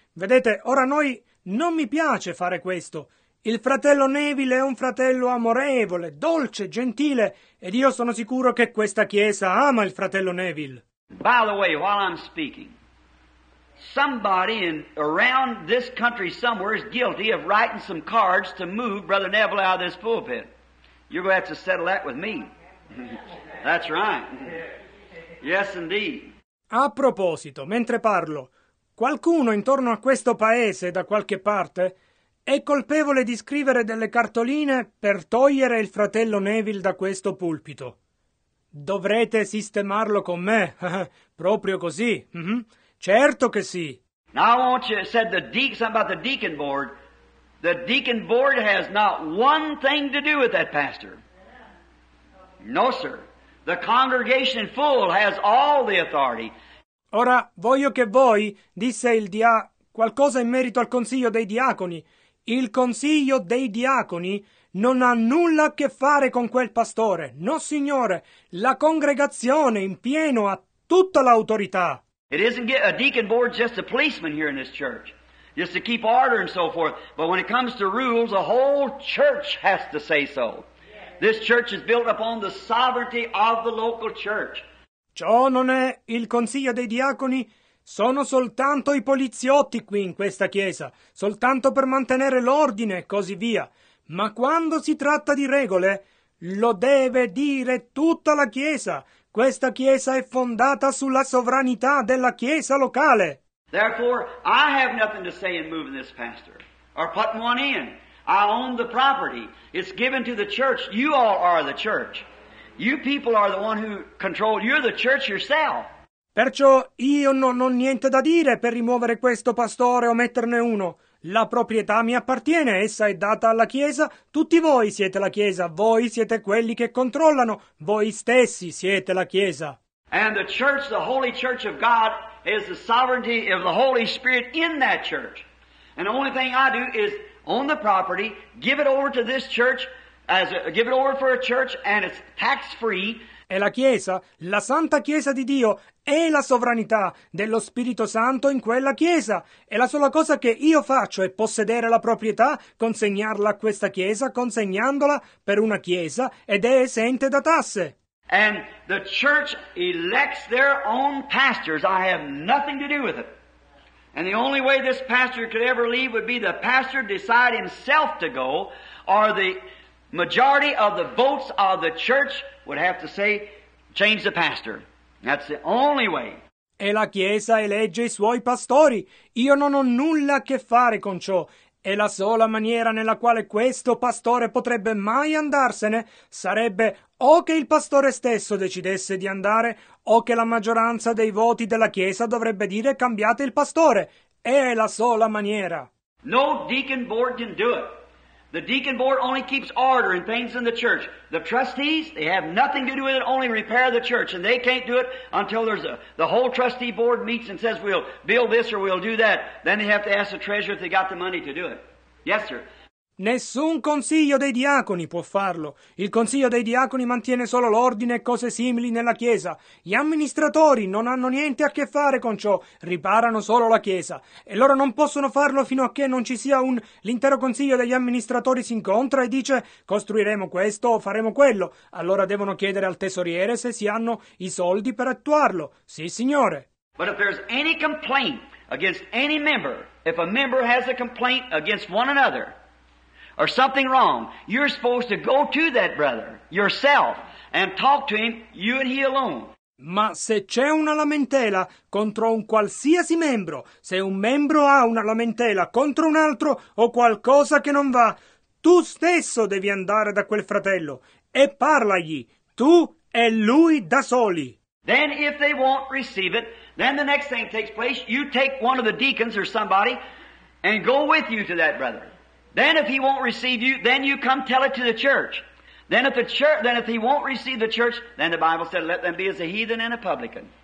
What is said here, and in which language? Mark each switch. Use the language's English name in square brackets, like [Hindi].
[Italian] Vedete, ora noi non mi piace fare questo. Il fratello Neville è un fratello amorevole, dolce, gentile, ed io sono sicuro che questa chiesa ama il fratello Neville. [English] By the way, while I'm speaking, somebody around this country somewhere is guilty of writing some cards to move Brother Neville out of this pulpit. You're going to have to settle that with me. That's right. Yes, indeed. [Italian] A proposito, mentre parlo, qualcuno intorno a questo paese, da qualche parte, è colpevole di scrivere delle cartoline per togliere il fratello Neville da questo pulpito. Dovrete sistemarlo con me, proprio così. Mm-hmm. Certo che sì. [English] Now I want you to say something about the deacon board. The deacon board has not one thing to do with that pastor. No, sir. The congregation full has all the authority. [Italian] Ora, voglio che voi, disse il qualcosa in merito al consiglio dei diaconi. Il consiglio dei diaconi non ha nulla a che fare con quel pastore. No, signore, la congregazione in pieno ha tutta l'autorità. [English] It isn't a deacon board just a policeman here in this church, just to keep order and so forth. But when it comes to rules, the whole church has to say so. This church is built upon the sovereignty of the local church. [Italian] Ciò non è il consiglio dei diaconi, sono soltanto i poliziotti qui in questa chiesa, soltanto per mantenere l'ordine e così via. Ma quando si tratta di regole, lo deve dire tutta la chiesa. Questa chiesa è fondata sulla sovranità della chiesa locale. [English] Therefore, I have nothing to say in moving this pastor or putting one in. I own the property. It's given to the church. You all are the church. You people are the one who control. You're the church yourself. [Italian] Perciò io non ho niente da dire per rimuovere questo pastore o metterne uno. La proprietà mi appartiene, essa è data alla Chiesa. Tutti voi siete la Chiesa, voi siete quelli che controllano, voi stessi siete la Chiesa. [English] And the church, the Holy Church of God, is the sovereignty of the Holy Spirit in that church. And the only thing I do is own the property, give it over to this church, give it over for a church, and it's tax-free. [Italian] E la Chiesa, la Santa Chiesa di Dio, è la sovranità dello Spirito Santo in quella Chiesa. E la sola cosa che io faccio è possedere la proprietà, consegnarla a questa Chiesa, consegnandola per una Chiesa, ed è esente da tasse. [English] And the church elects their own pastors. I have nothing to do with it. And the only way this pastor could ever leave would be the pastor decide himself to go, or the majority of the votes of the church would have to say, change the pastor. That's the only way. [Italian] E la Chiesa elegge i suoi pastori. Io non ho nulla a che fare con ciò. E la sola maniera nella quale questo pastore potrebbe mai andarsene sarebbe o che il pastore stesso decidesse di andare o che la maggioranza dei voti della Chiesa dovrebbe dire cambiate il pastore. E è la sola maniera. [English] No deacon board can do it. The deacon board only keeps order and things in the church. The trustees, they have nothing to do with it, only repair the church. And they can't do it until there's the whole trustee board meets and says, we'll build this or we'll do that. Then they have to ask the treasurer if they got the money to do it. Yes, sir. [Italian] Nessun consiglio dei diaconi può farlo. Il consiglio dei diaconi mantiene solo l'ordine e cose simili nella chiesa. Gli amministratori non hanno niente a che fare con ciò, riparano solo la chiesa. E loro non possono farlo fino a che non ci sia l'intero consiglio degli amministratori si incontra e dice costruiremo questo o faremo quello. Allora devono chiedere al tesoriere se si hanno i soldi per attuarlo. Sì, signore. [English] But if there's any complaint against any member, if a member has a complaint against one another, or something wrong, you're supposed to go to that brother yourself and talk to him, you and he alone. [Italian] Ma se c'è una lamentela contro un qualsiasi membro, se un membro ha una lamentela contro un altro o qualcosa che non va, tu stesso devi andare da quel fratello e parlagli, tu e lui da soli. [English] Then if they won't receive it, then the next thing takes place, you take one of the deacons or somebody and go with you to that brother. Then if he won't receive you, then you come tell it to the church. Then if the church, then if he won't receive the church, then the Bible said, let them be as a heathen and a publican.